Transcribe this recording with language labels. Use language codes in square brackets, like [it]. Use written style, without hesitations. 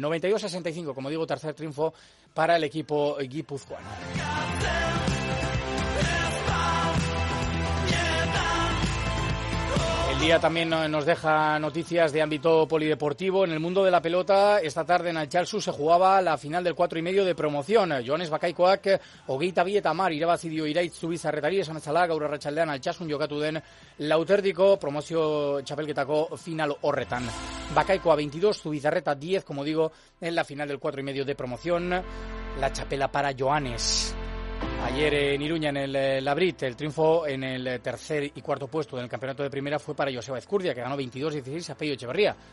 [es] 92-65, como digo, tercer triunfo para el equipo guipuzcoano. El día también nos deja noticias de ámbito polideportivo. En el mundo de la pelota, esta tarde en Altsasu se jugaba la final del 4.5 de promoción. [eu] Joanes Bakaikoak, Ogeita Bi eta Mar, irabazi dio Iraitz Zubizarretari, esan bezala, gaur arratsaldean Altsasun jokatu den lauterdiko promozio txapelketako final horretan. [es] Bakaikoa 22, Zubizarreta 10, como digo, en la final del 4.5 de promoción. La chapela para Joanes. Ayer en Iruña, en el Labrit, el triunfo en el tercer y cuarto puesto del campeonato de primera fue para Joseba Ezcurdia, que ganó 22-16 a Pello Echeverría.